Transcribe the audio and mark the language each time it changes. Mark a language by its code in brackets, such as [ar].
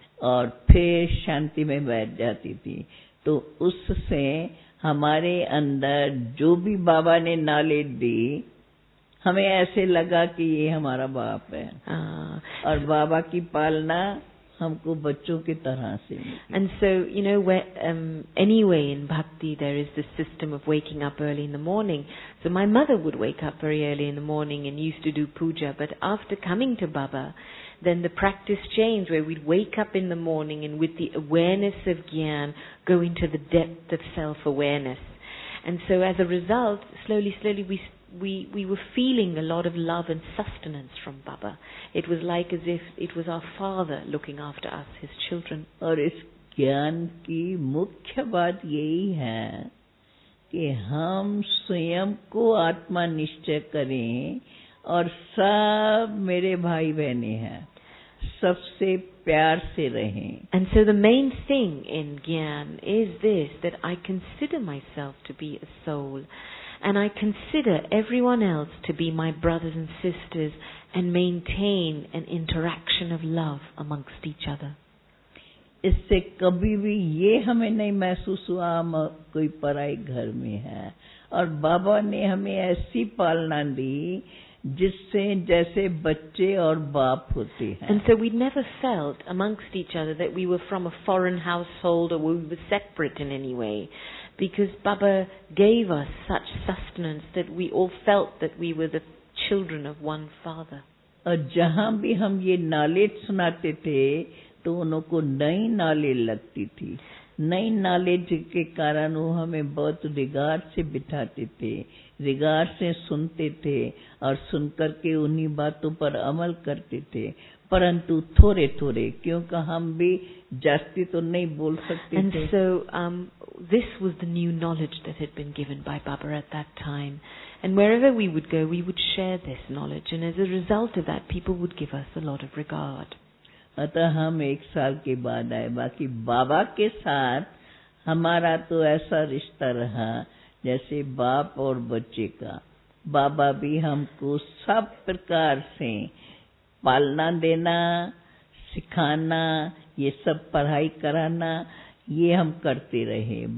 [hi] और फिर शांति में बैठ जाती थी, तो उससे हमारे अंदर जो भी बाबा ने नॉलेज दी हमें ऐसे लगा कि ये हमारा बाप है। और बाबा की पालना हमको बच्चों की तरह से। [en] And so you know anyway in bhakti there is this system of waking up early in the morning. So my mother would wake up very early in the morning and used to do puja, but after coming to Baba then the practice changed where we'd wake up in the morning and with the awareness of gyan go into the depth of self awareness. And so as a result, slowly we were feeling a lot of love and sustenance from baba. It was like as if it was our father looking after us, his children. [hi] Aur ज्ञान की मुख्य बात यही है कि हम स्वयं को आत्मनिश्चय करें और सब मेरे भाई बहने हैं सबसे प्यार से रहें. [en] And so the main thing in gyan is this, that I consider myself to be a soul and I consider everyone else to be my brothers and sisters and maintain an interaction of love amongst each other. [hi] इससे कभी भी ये हमें नहीं महसूस हुआ हम कोई पराए घर में हैं और बाबा ने हमें ऐसी पालना दी जिससे जैसे बच्चे और बाप होते हैं. [en] And so we never felt amongst each other that we were from a foreign household or we were separate in any way, because Baba gave us such sustenance that we all felt that we were the children of one father. [hi] और जहां भी हम ये नाले सुनाते थे तो उनको नई नाले लगती थी, नई नाले जिसके कारण वो हमें बहुत रिगार से बिठाते थे, रिगार से सुनते थे और सुनकर के उन्हीं बातों पर अमल करते थे, परंतु थोड़े थोड़े, क्योंकि हम भी जास्ती तो नहीं बोल सकते थे. [en] And so this was the new knowledge that had been given by Baba at that time, and wherever we would go, we would share this knowledge, and as a result of that, people would give us a lot of regard. [hi] अतः हम एक साल के बाद आए, बाकी बाबा के साथ हमारा तो ऐसा रिश्ता रहा जैसे बाप और बच्चे का. बाबा भी हमको सब प्रकार से पालना देना, सिखाना, ये सब पढ़ाई कराना, ये हम करते रहे.